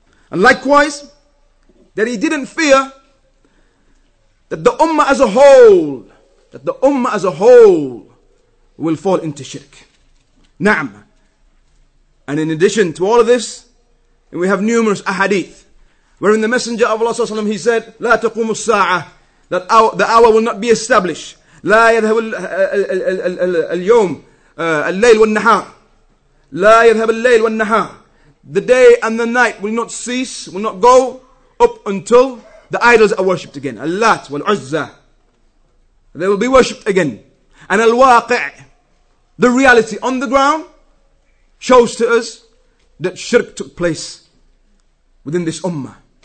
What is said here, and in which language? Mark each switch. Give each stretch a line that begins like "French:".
English: And likewise, that he didn't fear that the Ummah as a whole, will fall into shirk. Naam. And in addition to all of this, we have numerous ahadith wherein the Messenger of Allah Sallallahu Alaihi Wasallam, he said,
Arabic: لا تقوم الساعة,
English: that the hour will not be established.
Arabic: لا يذهب اليوم الليل والنهار. لا يذهب الليل والنهار.
English: The day and the night will not cease, will not go up until the idols are worshipped again. Allat wal-Uzza. They will be worshipped again. And al-Waqi', the reality on the ground, shows to us that shirk took place within this ummah.